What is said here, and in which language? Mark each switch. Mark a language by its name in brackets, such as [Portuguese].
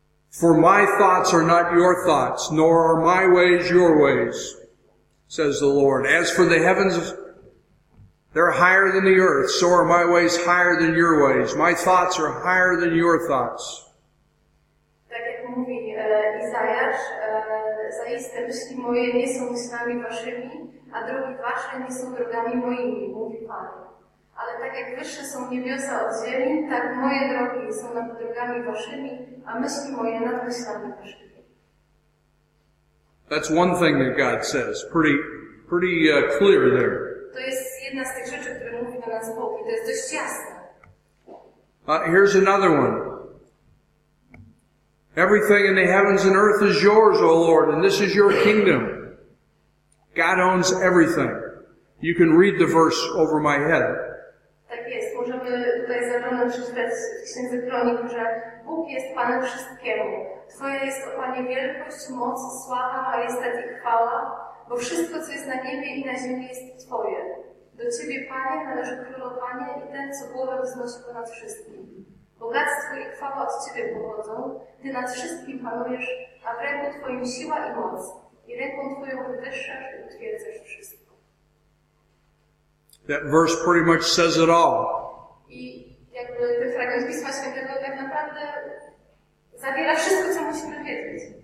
[English] For my thoughts are not your thoughts, nor are my ways your ways, says the Lord. As for the heavens, they're higher than the earth, so are my ways higher than your ways. My thoughts are higher than your thoughts. [Polish] Tak jak mówi Izajasz, zaiste myśli moje nie są myślami waszymi, a drogi wasze nie są drogami moimi, mówi Pan. Ale tak jak wyższe są niebiosa od ziemi, tak moje drogi są nad drogami waszymi, a myśli moje nad myślami waszymi. [English] That's one thing that God says. Pretty clear there. [Polish] To jest jedna z tych rzeczy, które mówi do nas Bóg, i to jest dość jasne. [English] Here's another one. Everything in the heavens and earth is yours, O Lord, and this is your kingdom. God owns everything. You can read the verse over my head. [Polish] Tak jest. Możemy tutaj zaglądać przez Księdze Kronik, że Bóg jest Panem wszystkiemu. Twoja jest, O Panie, wielkość, moc, sława, majestat i chwała. Bo wszystko, co jest na niebie i na ziemi, jest Twoje. Do Ciebie, Panie, należy królowanie i ten, co głowę wznosi ponad wszystkim. Bogactwo i chwała od Ciebie pochodzą. Ty nad wszystkim panujesz, a w ręku Twoim siła i moc. I ręką Twoją wywyższasz i utwierdzasz wszystko. [English] That verse pretty much says it all. [Polish] I jakby ten fragment Pisma Świętego tak naprawdę zawiera wszystko, co musimy wiedzieć.